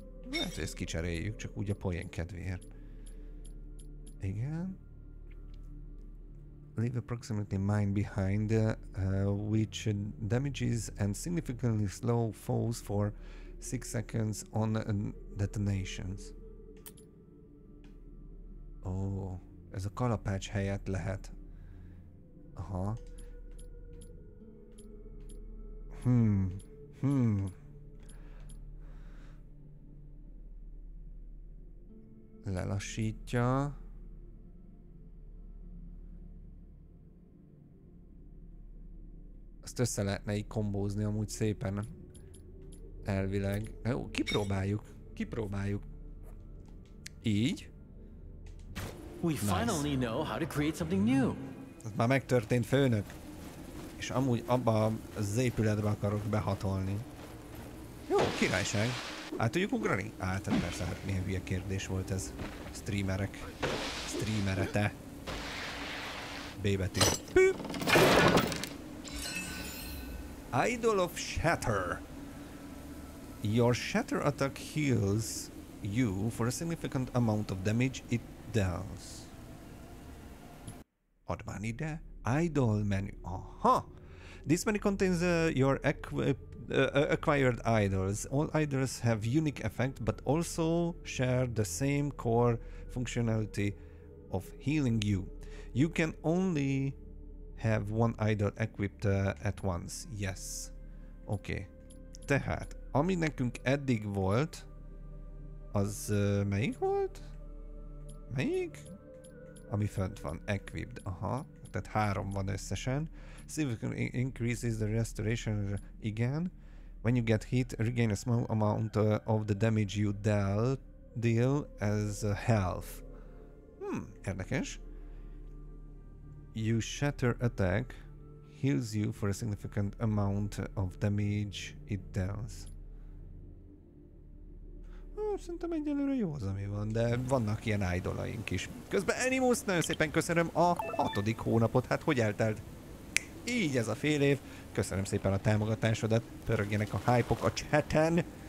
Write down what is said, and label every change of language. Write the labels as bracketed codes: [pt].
[hu] Hát ezt kicseréljük, csak úgy a poén kedvéért. Igen. [en] Leave approximately mine behind, which damages and significantly slow foes for 6 seconds on detonations. [hu] Ó, oh, ez a kalapács helyett lehet. Aha. Lelassítja. Ezt össze lehetne így kombózni amúgy szépen. Elvileg. Na jó, kipróbáljuk. Kipróbáljuk. Így. [en] We finally know how to create something new. [hu] Ez már megtörtént, főnök. És amúgy abba az épületbe akarok behatolni. Jó, királyság. Át tudjuk ugrani? Á, tehát persze, hát milyen hülye kérdés volt ez. Streamerek. Streamerete. B betű. Püpp. [en] Idol of Shatter. Your shatter attack heals you for a significant amount of damage it deals. [hu] Add már ide. Idol menü. Aha! [en] This menu contains your acquired idols. All idols have unique effect, but also share the same core functionality of healing you. You can only have one idol equipped at once. Yes. Okay. [hu] Tehát, ami nekünk eddig volt, az melyik volt? Melyik? Ami fent van, equipped. Aha. Tehát három van összesen. [en] Significant increases the restoration. [hu] Igen. [en] When you get hit, regain a small amount of the damage you deal as health. [hu] Érdekes. [en] You shatter attack heals you for a significant amount of damage it deals. [hu] Szerintem egyelőre jó az, ami van, de vannak ilyen idolaink is. Közben Animus, nagyon szépen köszönöm a 6. hónapot, hát hogy eltelt? Így ez a fél év. Köszönöm szépen a támogatásodat, pörögjenek a hype-ok a chaten.